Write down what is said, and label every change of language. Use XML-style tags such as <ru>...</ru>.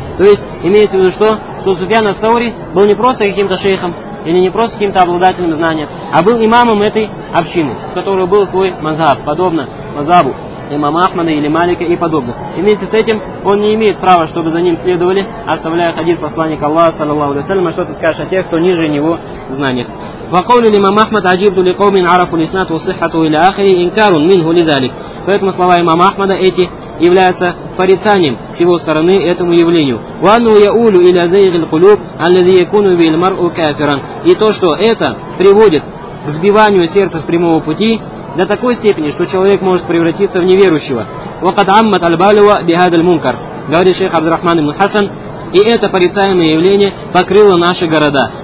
<ru>То есть, имеется в виду, что Суфьян ас-Саури был не просто каким-то шейхом, или не просто каким-то обладателем знания, а был имамом этой общины, в которой был свой мазхаб, подобно мазхабу имама Ахмада или Малика и подобных. И вместе с этим он не имеет права, чтобы за ним следовали, оставляя хадис посланника Аллаха, саллаллаху алейхи ва саллям, а что ты скажешь о тех, кто ниже него знаниях.</ru> <ar>وقول الإمام أحمد عجبت لقوم عرفوا الإسناد وصحته إلى آخره إنكار منه لذلك.</ar> <ru>Поэтому слова имама Ахмада эти является порицанием всего стороны этому явлению.</ru> <ar>Вану яулю иля зайгил кулюб, аллази якуну виль мар'у кафиран.</ar> <ru>И то, что это приводит к сбиванию сердца с прямого пути до такой степени, что человек может превратиться в неверующего.</ru> <ar>Вакад аммат аль-балюа бихадаль мункар,</ar> <ru>говорит шейх Абдурахман ибн Хасан, и это порицаемое явление покрыло наши города.</ru>